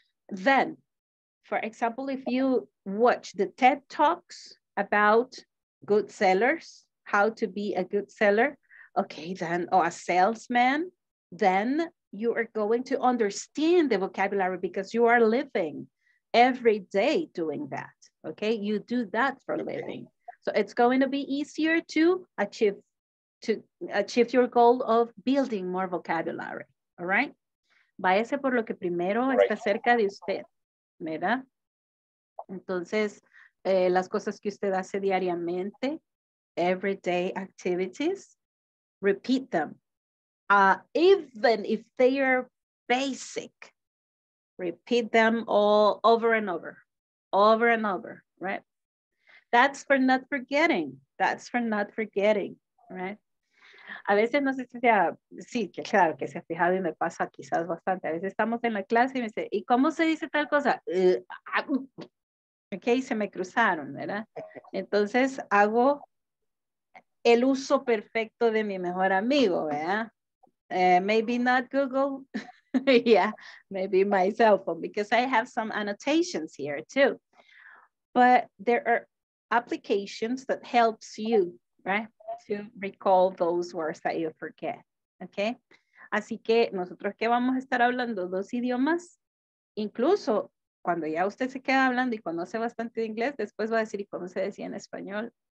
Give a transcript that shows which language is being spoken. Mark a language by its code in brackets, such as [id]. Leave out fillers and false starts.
[en] Then, for example, if you watch the TED Talks about good sellers, how to be a good seller, okay, then, or a salesman, then you are going to understand the vocabulary because you are living every day doing that, okay? You do that for a living. So it's going to be easier to achieve your goal of building more vocabulary, all right? [es] Váyase por lo que primero está cerca de usted, ¿verdad? Entonces, las cosas que usted hace diariamente, [en] everyday activities, [es] repeat them. [en] Even if they are basic, repeat them all over and over, right? That's for not forgetting, right? [es] A veces no sé si sea, sí, que claro, que se ha fijado y me pasa quizás bastante. A veces estamos en la clase y me dice, ¿y cómo se dice tal cosa? Ok, se me cruzaron, ¿verdad? Entonces hago el uso perfecto de mi mejor amigo, ¿verdad? [en] Maybe not Google, yeah, maybe my cell phone, because I have some annotations here too. But there are applications that helps you, right, to recall those words that you forget, okay? [es] Así que nosotros que vamos a estar hablando dos idiomas, incluso cuando ya usted se queda hablando y conoce bastante de inglés, después va a decir, ¿y cómo se decía en español?